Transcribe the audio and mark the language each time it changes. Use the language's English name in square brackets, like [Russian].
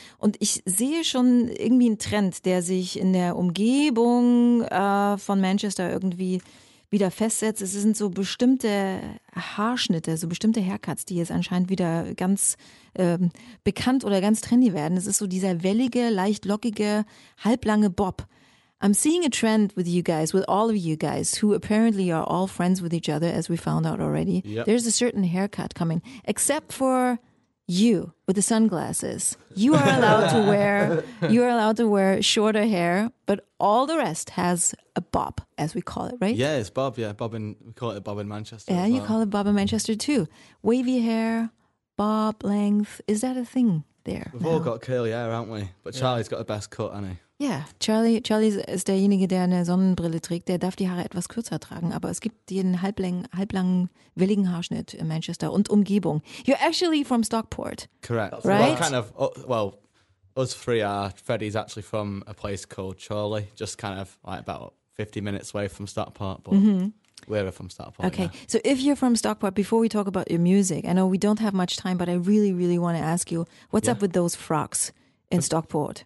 [German] Und ich sehe schon irgendwie einen Trend, der sich in der Umgebung von Manchester irgendwie wieder festsetzt. Es sind so bestimmte Haarschnitte, so bestimmte Haircuts, die jetzt anscheinend wieder ganz bekannt oder ganz trendy werden. Es ist so dieser wellige, leicht lockige, halblange Bob. [English] I'm seeing a trend with you guys, with all of you guys, who apparently are all friends with each other, as we found out already. Yep. There's a certain haircut coming, except for you with the sunglasses. You are allowed to wear shorter hair, but all the rest has a bob, as we call it, right? Yeah, it's bob. Yeah, bob in, we call it bob in Manchester. Yeah, as well. You call it bob in Manchester too. Wavy hair, bob length, is that a thing there? We've all got curly hair, haven't we? But Charlie's got the best cut, hasn't he? [German] Yeah, Charlie ist derjenige, der eine Sonnenbrille trägt. Der darf die Haare etwas kürzer tragen, aber es gibt den halblangen willigen Haarschnitt in Manchester und Umgebung. [English] You're actually from Stockport. Correct. Right? Well, us three are. Freddie's actually from a place called Chorley, just kind of like about 50 minutes away from Stockport, but we're from Stockport. Okay, yeah. So if you're from Stockport, before we talk about your music, I know we don't have much time, but I really, really want to ask you, what's up with those frogs in Stockport?